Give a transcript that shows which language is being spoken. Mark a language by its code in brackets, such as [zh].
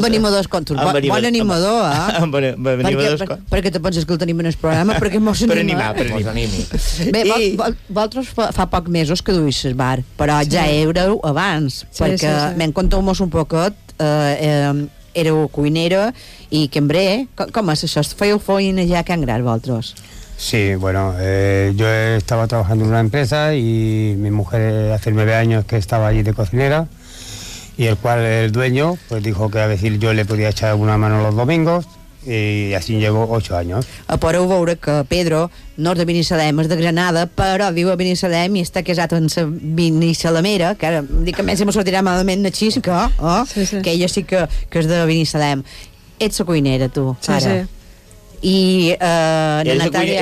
[ca] Amb animadors, bon animador, perquè te penses que el tenim en el programa, perquè mos anima. Per animar. Bé, vosaltres fa poc mesos que duís el bar, però sí. Ja éreu abans, perquè, conteu-mos un poquet, éreu cuinera i cambrer, com és això? Fèieu feina ja a Can Gras, vosaltres? [es] Sí, bueno, yo estaba trabajando en una empresa y mi mujer hace 9 años que estaba allí de cocinera, y el cual el dueño pues dijo que a veces yo le podía echar una mano los domingos, y así llevo 8 años. [ca] Podeu veure que Pedro no és de Binissalem, és de Granada, però viu a Binissalem i està casat amb la Binissalemera, que ara dic que a més se me sortirà malament la xisca, que ella sí que és de Binissalem. Ets la cuinera, tu, sí, ara. Sí. I la Natàlia...